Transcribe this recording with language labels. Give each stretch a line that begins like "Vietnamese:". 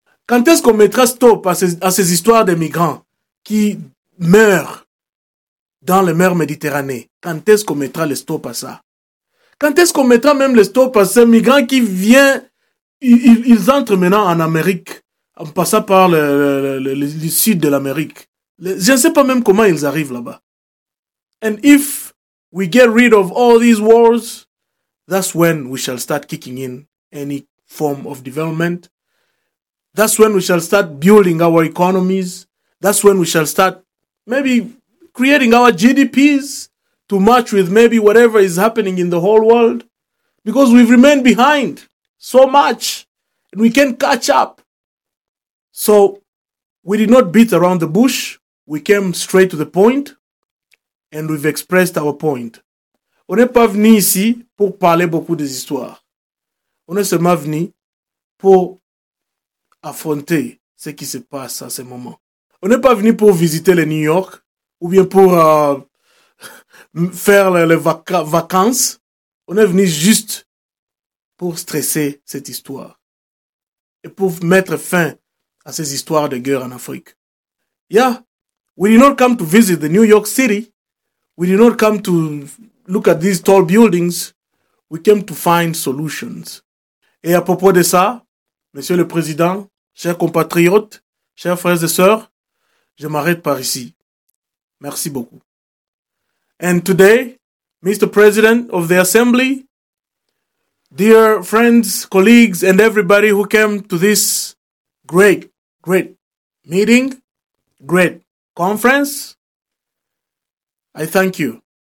French: Quand est-ce qu'on mettra stop à ces histoires de migrants qui meurent dans les mers Méditerranée? Quand est-ce qu'on mettra le stop à ça? Quand est-ce qu'on mettra même le stop à ces migrants qui viennent, ils entrent maintenant en Amérique, en passant par le sud de l'Amérique? Je ne sais pas même comment ils arrivent là-bas.
English: And if we get rid of all these wars, that's when we shall start kicking in any form of development. That's when we shall start building our economies. That's when we shall start maybe creating our GDPs to match with maybe whatever is happening in the whole world. Because we've remained behind so much and we can't catch up. So we did not beat around the bush. We came straight to the point and we've expressed our point.
French: On n'est pas venu ici pour parler beaucoup des histoires. On est seulement venu pour affronter ce qui se passe à ce moment. On n'est pas venu pour visiter le New York ou bien pour faire les vacances. On est venu juste pour stresser cette histoire et pour mettre fin à ces histoires de guerre en Afrique.
English: Yeah, we did not come to visit the New York City. We did not come to look at these tall buildings. We came to find solutions.
French: Et à propos de ça, Monsieur le Président, chers compatriotes, chers frères et sœurs, je m'arrête par ici. Merci beaucoup.
English: And today, Mr. President of the Assembly, dear friends, colleagues, and everybody who came to this great, great meeting, great conference, I thank you.